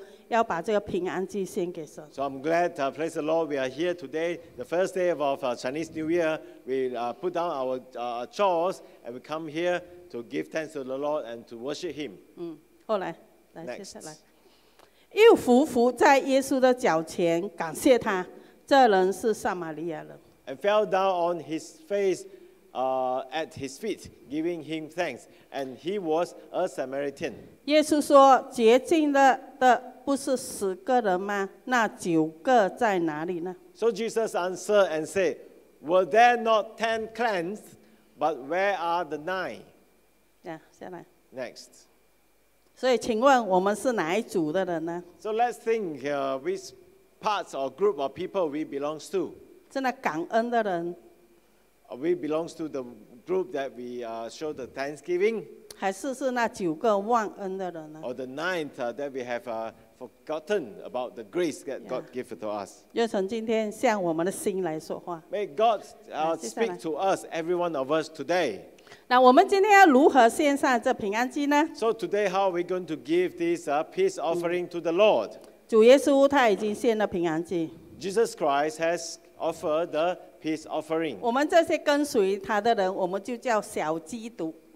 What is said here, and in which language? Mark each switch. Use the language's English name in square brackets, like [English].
[Chinese] 我想我们每一个人今天就像这一个人一样哈，我们经历很多恩典，所以在新年的第一天，我们什么事情都不多，我们就是来到圣殿中，要把这个平安祭献给神。So [English] I'm glad, praise the Lord, we are here today, the first day of our Chinese New Year. We put down our chores and we come here to give thanks to the Lord and to worship Him. [Chinese] 后来，来，接下来，又伏伏在耶稣的脚前感谢他，这人是撒玛利亚人。 [English] And fell down on his face, at his feet, giving him thanks. And he was a Samaritan. [Chinese] 耶稣说，洁净的不是十个人吗？那九个在哪里呢？ [English] So Jesus answered and said, were there not 10 cleansed, but where are the 9? [Chinese] Yeah, 下来。 [English] Next. [Chinese] 所以请问我们是哪一组的人呢? [English] So let's think which parts or group of people we belong to. [Chinese] 真的感恩的人, [English] we belong to the group that we show the thanksgiving. [Chinese] 还是那九个忘恩的人呢? [English] Or the 9th that we have forgotten about the grace that God gave to us. [Chinese] 愿神今天向我们的心来说话。 [English] May God speak to us, every one of us today. [Chinese] 那我们今天要如何献上这平安祭呢? [English] So today, how are we going to give this peace offering to the Lord? [Chinese] 主耶稣他已经献了平安祭。 [English] Jesus Christ has offered the peace offering. [Chinese] 我们这些跟随他的人, 我们就叫小基督。